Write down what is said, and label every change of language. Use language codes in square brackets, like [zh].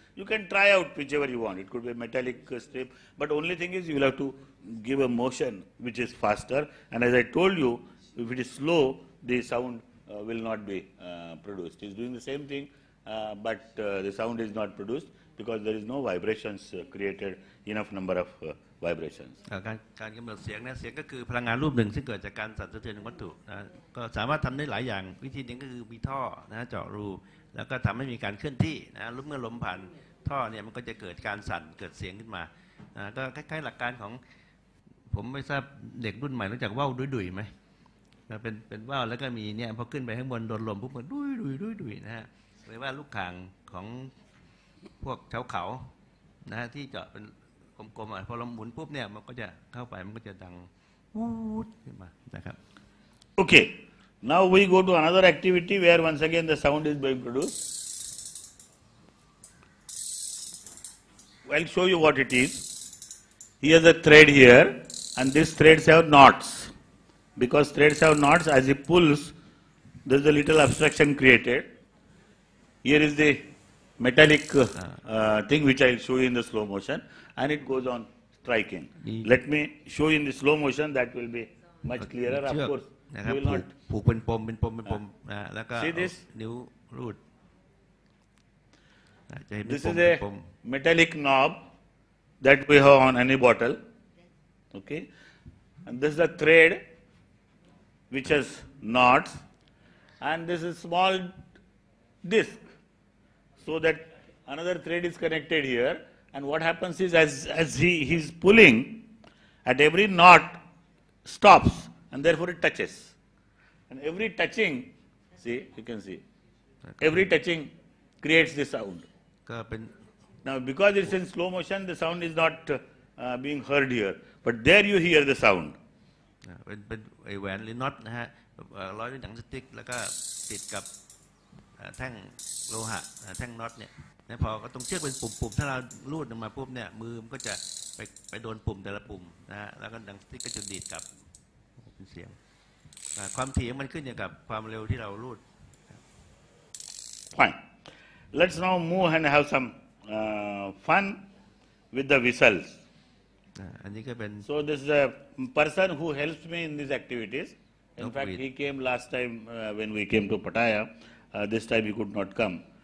[en] You can try out whichever you want. It could be a metallic strip. But only thing is you will have to give a motion which is faster. And as I told you, if it is slow, the sound will not be produced. It's doing the same thing, but the sound is not produced. Because there is no vibrations created, enough number of vibrations. [th] การกำหนดเสียงนะเสียงก็คือพลังงานรูปหนึ่งซึ่งเกิดจากการสั่นสะเทือนของวัตถุนะก็สามารถทำได้หลายอย่างวิธีหนึ่งก็คือมีท่อนะเจาะรูแล้วก็ทำให้มีการเคลื่อนที่นะรูปเมื่อลมผ่านท่อเนี่ยมันก็จะเกิดการสั่นเกิดเสียงขึ้นมานะก็คล้ายๆหลักการของผมไม่ทราบเด็กรุ่นใหม่รู้จักว่าวดุ่ยๆไหม เป็นว่าวแล้วก็มีเนี่ยพอขึ้นไปข้างบนโดนลมปุ๊บมันดุ่ยดุ่ยดุ่ยดุ่ยนะฮะหรือว่าลูกข่างของพวกชาวเขานะฮะที่เจาะเป็นกลมๆพอลมหมุนปุ๊บเนี่ยมันก็จะเข้าไปมันก็จะดังวู๊ดขึ้นมานะครับ [en] โอเค now we go to another activity where once again the sound is being produced I'll show you what it is he has a thread here and this threads have knots because threads have knots as he pulls there's a little obstruction created here is theMetallic thing which I'll show you in the slow motion and it goes on striking. Let me show you in the slow motion, that will be much clearer. Of course, [th] นะครับผูกเป็นปมเป็นปมนะแล้วก็ นิ้วรูดจะให้เป็นปม [en] This is a metallic knob that we have on any bottle okay and this is a thread which has knots and this is small disc so that another thread is connected here and what happens is as he's pulling at every knot stops and therefore it touches and every touching see you can see every touching creates the sound now because it's in slow motion the sound is not being heard here but there you hear the sound but a wand is not [th] นะฮะร้อยด้วยหนังสติ๊กแล้วก็ติดกับแท่งโลหะแท่งน็อตเนี่ยแล้วพอก็ต้องเชือกเป็นปุ่มๆถ้าเราลูดลงมาปุ๊บเนี่ยมือมันก็จะไปโดนปุ่มแต่ละปุ่มนะฮะแล้วก็ดังสติ๊กก็จะดีดกับเป็นเสียงความถี่มันขึ้นอยู่กับความเร็วที่เราลูด [en] Fine let's now move and have some fun with the whistles [th] อันนี้ก็เป็น [en] So this is a person who helps me in these activities in fact he came last time when we came to Pattaya this time he could not come